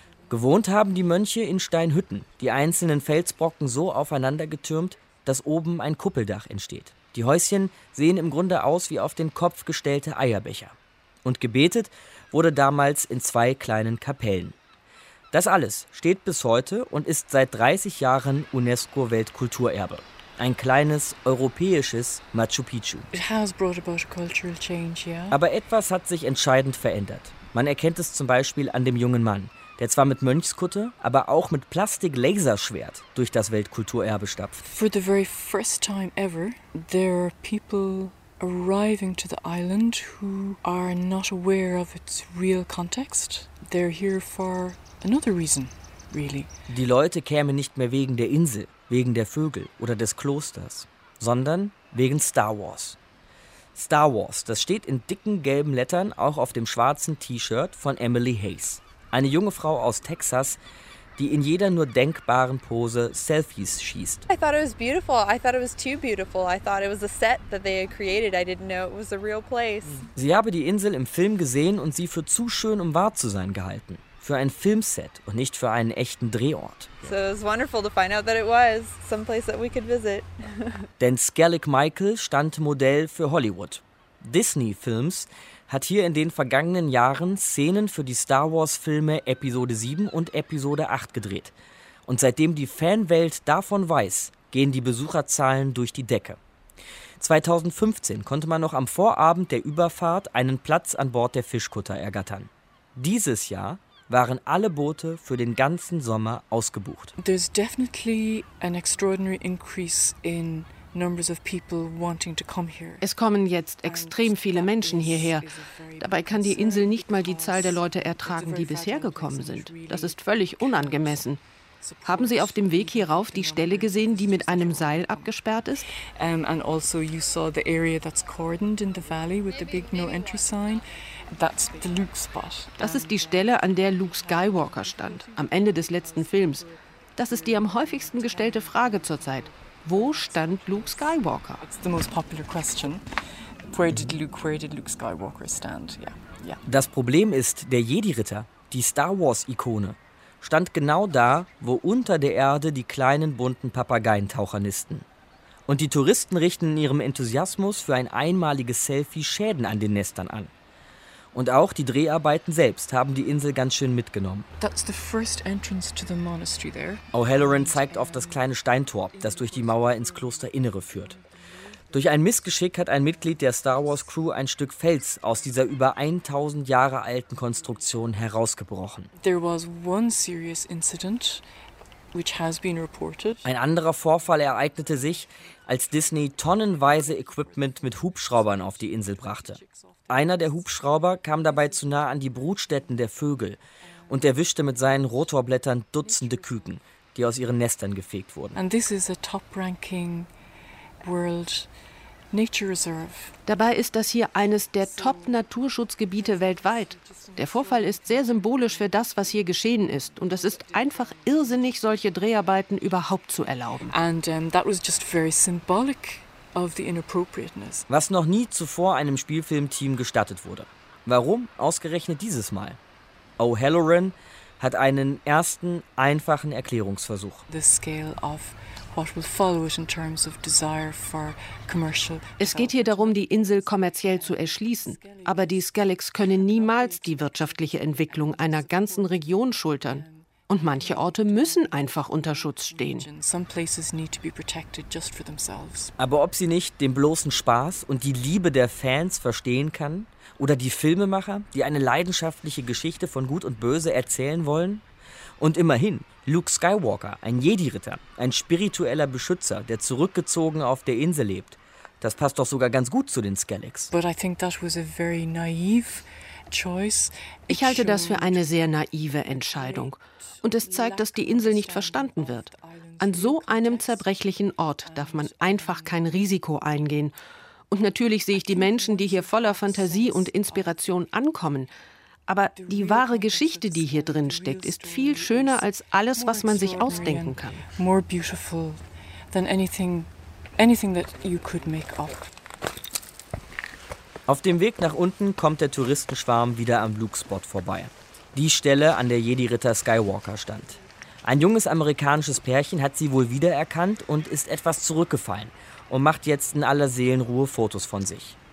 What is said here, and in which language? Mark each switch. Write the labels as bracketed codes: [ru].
[de] Gewohnt haben die Mönche in Steinhütten, die einzelnen Felsbrocken so aufeinander getürmt, dass oben ein Kuppeldach entsteht. Die Häuschen sehen im Grunde aus wie auf den Kopf gestellte Eierbecher. Und gebetet wurde damals in 2 kleinen Kapellen. Das alles steht bis heute und ist seit 30 Jahren UNESCO-Weltkulturerbe. Ein kleines europäisches Machu Picchu. [en] It has brought about a cultural change, yeah? [de] Aber etwas hat sich entscheidend verändert. Man erkennt es zum Beispiel an dem jungen Mann, der zwar mit Mönchskutte, aber auch mit Plastik-Laserschwert durch das Weltkulturerbe stapft. [en] For the very first time ever, there are people arriving to the island who are not aware of its real context. They're here for another reason, really. [de] Die Leute kämen nicht mehr wegen der Insel, wegen der Vögel oder des Klosters, sondern wegen Star Wars. Star Wars, das steht in dicken gelben Lettern auch auf dem schwarzen T-Shirt von Emily Hayes. Eine junge Frau aus Texas, die in jeder nur denkbaren Pose Selfies schießt. [en] I thought it was beautiful. I thought it was too beautiful. I thought it was a set that they had created. I didn't know it was a real place. [de] Sie habe die Insel im Film gesehen und sie für zu schön, um wahr zu sein gehalten. Für ein Filmset und nicht für einen echten Drehort. [en] So it was wonderful to find out that it was some place that we could visit. [de] Denn Skellig Michael stand Modell für Hollywood. Disney Films hat hier in den vergangenen Jahren Szenen für die Star Wars Filme Episode 7 und Episode 8 gedreht. Und seitdem die Fanwelt davon weiß, gehen die Besucherzahlen durch die Decke. 2015 konnte man noch am Vorabend der Überfahrt einen Platz an Bord der Fischkutter ergattern. Dieses Jahr waren alle Boote für den ganzen Sommer ausgebucht. [en] There's definitely an extraordinary increase in numbers of people wanting to come here. [de] Es kommen jetzt extrem viele Menschen hierher. Dabei kann die Insel nicht mal die Zahl der Leute ertragen, die bisher gekommen sind. Das ist völlig unangemessen. Haben Sie auf dem Weg hierauf die Stelle gesehen, die mit einem Seil abgesperrt ist? [en] And also you saw the area that's cordoned in the valley with the big no entry sign. That's the Luke spot. [de] Das ist die Stelle, an der Luke Skywalker stand, am Ende des letzten Films. Das ist die am häufigsten gestellte Frage zurzeit. Wo stand Luke Skywalker? [en] It's the most popular question. Where did Luke Skywalker stand? Yeah. Yeah. [de] Das Problem ist, der Jedi-Ritter, die Star Wars-Ikone, stand genau da, wo unter der Erde die kleinen bunten Papageientaucher nisten. Und die Touristen richten in ihrem Enthusiasmus für ein einmaliges Selfie Schäden an den Nestern an. Und auch die Dreharbeiten selbst haben die Insel ganz schön mitgenommen. [en] That's the first entrance to the monastery there. [de] O'Halloran zeigt auf das kleine Steintor, das durch die Mauer ins Klosterinnere führt. Durch ein Missgeschick hat ein Mitglied der Star Wars Crew ein Stück Fels aus dieser über 1000 Jahre alten Konstruktion herausgebrochen. [en] There was one serious incident which has been reported. [de] Ein anderer Vorfall ereignete sich, als Disney tonnenweise Equipment mit Hubschraubern auf die Insel brachte. Einer der Hubschrauber kam dabei zu nah an die Brutstätten der Vögel und erwischte mit seinen Rotorblättern Dutzende Küken, die aus ihren Nestern gefegt wurden. [en] And this is a top-ranking World Nature Reserve. [de] Dabei ist das hier eines der Top-Naturschutzgebiete weltweit. Der Vorfall ist sehr symbolisch für das, was hier geschehen ist. Und es ist einfach irrsinnig, solche Dreharbeiten überhaupt zu erlauben. [en] And that was just very symbolic of the inappropriateness. [de] Was noch nie zuvor einem Spielfilmteam gestattet wurde. Warum ausgerechnet dieses Mal? O'Halloran hat einen ersten einfachen Erklärungsversuch. [en] The scale of what will follow it in terms of desire for commercial. [de] Es geht hier darum, die Insel kommerziell zu erschließen. Aber die Skelligs können niemals die wirtschaftliche Entwicklung einer ganzen Region schultern. Und manche Orte müssen einfach unter Schutz stehen. [en] Some places need to be protected just for themselves. [de] Aber ob sie nicht den bloßen Spaß und die Liebe der Fans verstehen kann, oder die Filmemacher, die eine leidenschaftliche Geschichte von Gut und Böse erzählen wollen? Und immerhin, Luke Skywalker, ein Jedi-Ritter, ein spiritueller Beschützer, der zurückgezogen auf der Insel lebt. Das passt doch sogar ganz gut zu den Skelligs. [en] But I think that was a very naive choice. [de] Ich halte das für eine sehr naive Entscheidung. Und es zeigt, dass die Insel nicht verstanden wird. An so einem zerbrechlichen Ort darf man einfach kein Risiko eingehen. Und natürlich sehe ich die Menschen, die hier voller Fantasie und Inspiration ankommen. Aber die wahre Geschichte, die hier drin steckt, ist viel schöner als alles, was man sich ausdenken kann. [en] More beautiful than anything that you could make up. [de] Auf dem Weg nach unten kommt der Touristenschwarm wieder am Luke-Spot vorbei. Die Stelle, an der Jedi-Ritter Skywalker stand. Ein junges amerikanisches Pärchen hat sie wohl wiedererkannt und ist etwas zurückgefallen und macht jetzt in aller Seelenruhe Fotos von sich.